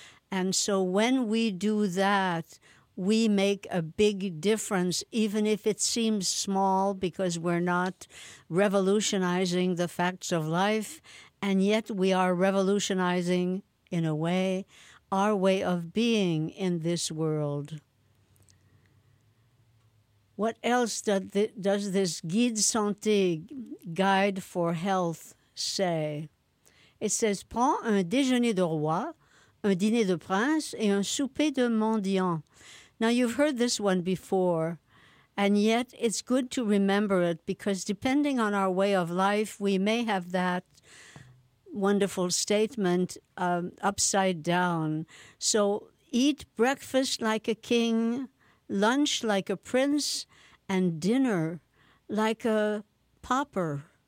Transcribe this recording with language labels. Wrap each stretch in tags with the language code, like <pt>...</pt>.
<en>And so when we do that, we make a big difference, even if it seems small, because we're not revolutionizing the facts of life, and yet we are revolutionizing, in a way, our way of being in this world. What else does this guide santé, guide for health, say? It says,</en> <fr>prends un déjeuner de roi, un dîner de prince et un souper de mendiant.</fr> <en>Now, you've heard this one before, and yet it's good to remember it, because depending on our way of life, we may have that wonderful statement upside down. So eat breakfast like a king, lunch like a prince, and dinner like a pauper.</en>